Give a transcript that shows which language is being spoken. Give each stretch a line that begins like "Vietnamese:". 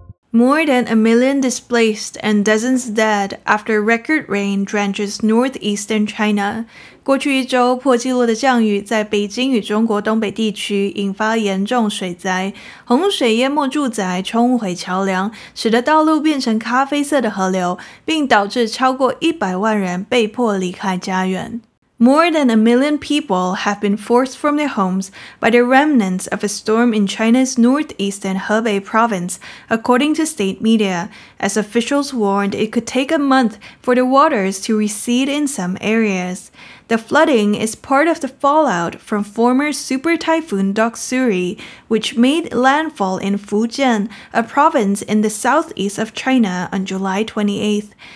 English: More than a million displaced and dozens dead after record rain drenches northeastern China.
Chinese: 过去一周破纪录的降雨在北京与中国东北地区引发严重水灾。洪水淹没住宅冲毁桥梁使得道路变成咖啡色的河流并导致超过100万人被迫离开家园。
English: More than a million people have been forced from their homes by the remnants of a storm in China's northeastern Hebei province, according to state media, as officials warned it could take a month for the waters to recede in some areas. The flooding is part of the fallout from former super typhoon Doksuri, which made landfall in Fujian, a province in the southeast of China, on July 28th.